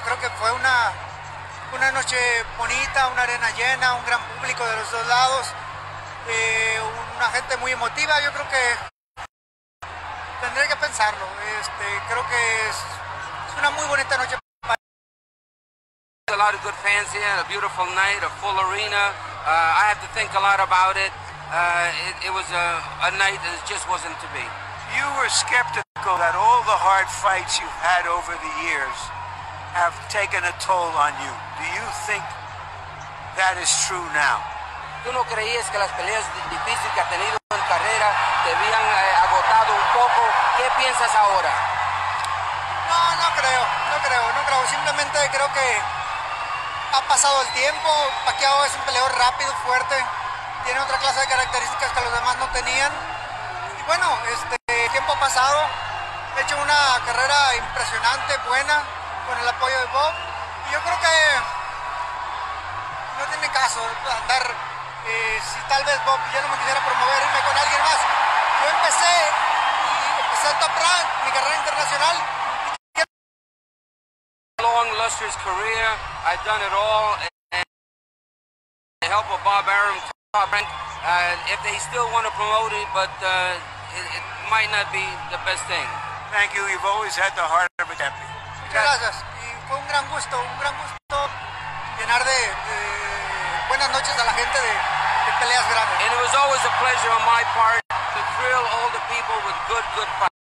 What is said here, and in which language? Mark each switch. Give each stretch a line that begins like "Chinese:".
Spanish: Creo que fue una noche bonita, una arena llena, un gran público de los dos lados. Una gente muy emotiva, yo creo que tendré que pensarlo. Creo que es una muy bonita noche para
English: a lot of good fans here, a beautiful night, a full arena. I have to think a lot about it. It was a night that just wasn't to be. you were skeptical that all the hard fights you've had over the years have taken a toll on you. Do you think that is true now?
Spanish: ¿Tú no creías que las peleas difíciles que has tenido en carrera te habían agotado un poco? ¿Qué piensas ahora? No creo. Simplemente creo que ha pasado el tiempo. Pacquiao es un peleador rápido, fuerte. Tiene otra clase de características que los demás no tenían. Y bueno, el tiempo ha pasado. He hecho una carrera impresionante, buena, con el apoyo de Bob. Y yo creo que no tiene caso andar. Si tal vez Bob ya no me quisiera promover, irme con alguien más. Yo empecé en Top Rank, mi carrera internacional.
English: Long, lustrous career. I've done it all. And the help of Bob Arum, Top Rank. If they still want to promote it, but it might not be the best thing. Thank you. You've always had the heart of a champion.
Spanish: Muchas gracias. Y fue un gran gusto llenar de buenas noches a la gente de peleas grandes.
English: And it was always a pleasure on my part to thrill all the people with good fights.